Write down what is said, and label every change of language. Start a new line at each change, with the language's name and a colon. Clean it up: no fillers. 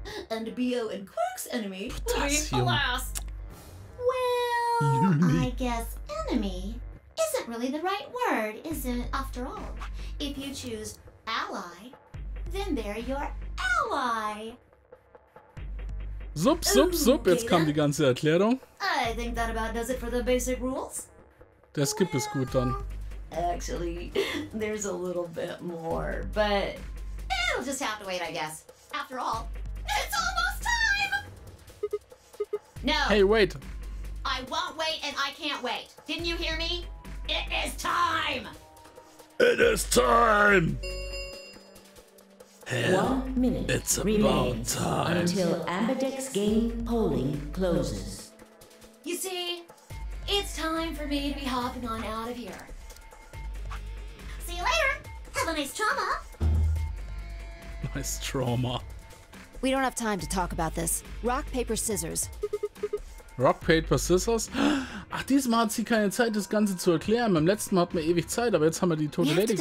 English: And B.O. and Quark's enemy Potassium. Will be, alas. Well, I guess enemy isn't really the right word, is it? After all, if you choose ally, then they're your ally.
German: Zup, zup, zup, jetzt kam die ganze Erklärung.
English: I think that about does it for the basic rules.
German: Der Skip ist gut dann.
English: Actually, there's a little bit more, but it'll just have to wait, I guess. After all, it's almost time! No. Hey, wait. I won't wait and I can't wait. Didn't you hear me? It is time! It is time! Hell, 1 minute it's about time. Until Ambidex game polling closes. You see, it's time for me to be hopping on out of here. See you later. Have a nice trauma. Nice trauma. We don't have time to talk about this. Rock, paper, scissors. Rock, paper, scissors?
German: Ach, diesmal hat sie keine Zeit, das Ganze zu erklären. Beim letzten Mal hatten wir ewig Zeit, aber jetzt haben wir die tote Lady gefunden.